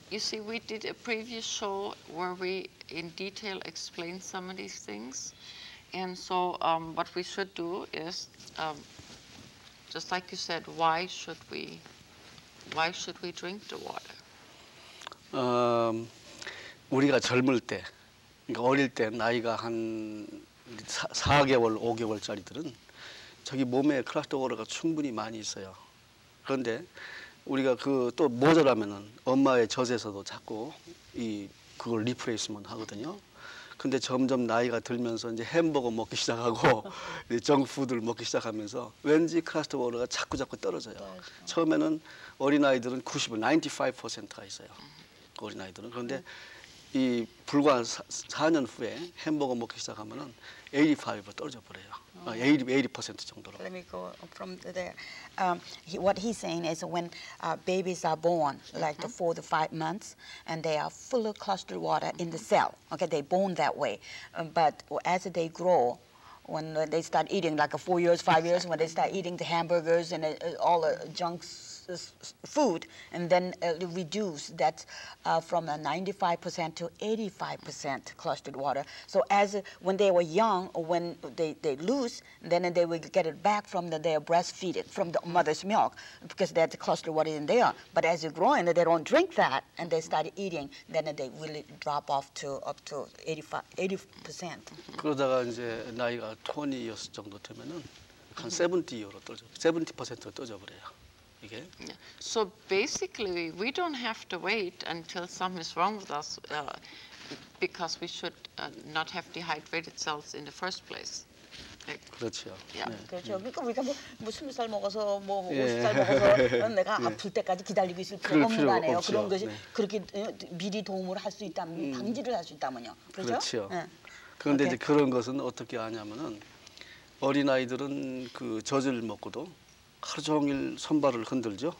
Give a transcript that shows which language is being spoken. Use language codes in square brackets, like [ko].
[en] You see, we did a previous show where we in detail explained some of these things, and so what we should do is, just like you said, why should we drink the water? [ko] 우리가 젊을 때, 그러니까 어릴 때 나이가 한 4개월, 5개월짜리들은 저기 몸에 클러스터 워터가 충분히 많이 있어요. 그런데 우리가 그 또 모자라면은 엄마의 젖에서도 자꾸 이 그걸 리프레이스먼트 하거든요. 그런데 점점 나이가 들면서 이제 햄버거 먹기 시작하고 이제 정푸드를 먹기 시작하면서 왠지 클러스터 워터가 자꾸 떨어져요. 처음에는 어린아이들은 95%가 있어요. 어린아이들은. 그런데 이 불과 4년 후에 햄버거 먹기 시작하면은 85% 떨어져 버려요. 80% 정도로. [en] Let me go from there. What he's saying is when babies are born, like mm-hmm. the 4 to 5 months, and they are full of clustered water mm-hmm. in the cell. Okay, they born that way. But as they grow, when they start eating, like 4 years, 5 years, when they start eating the hamburgers and all the junk food, and then reduce that from 95% to 85% clustered water. So as when they were young, when they lose, then they will get it back from their breastfeeding, from the mother's milk, because that clustered water in there. But as you're growing, they don't drink that, and they start eating, then they will drop off to up to 85%. [ko] 그러다가 이제 나이가 [en] 20 years [ko] 정도 되면은 한 70%로 떨어져버려요. [en] Yeah. So basically, we don't have to wait until something is wrong with us because we should not have dehydrated cells in the first place. Like, [ko] 그렇죠. [en] Yeah. [ko] 네. 그렇죠. 그러니까 우리가 뭐 20살 먹어서 뭐 50살 먹어서 내가 아플 때까지 기다리고 있을 필요 없는 거 아니에요. 그런 것이 그렇게 미리 도움을 할 수 있다면 방지를 할 수 있다면요. 그렇죠. 그렇죠. 그런데 okay. 이제 그런 것은 어떻게 아냐면은 어린 아이들은 그 젖을 먹고도 하루 종일 손발을 흔들죠.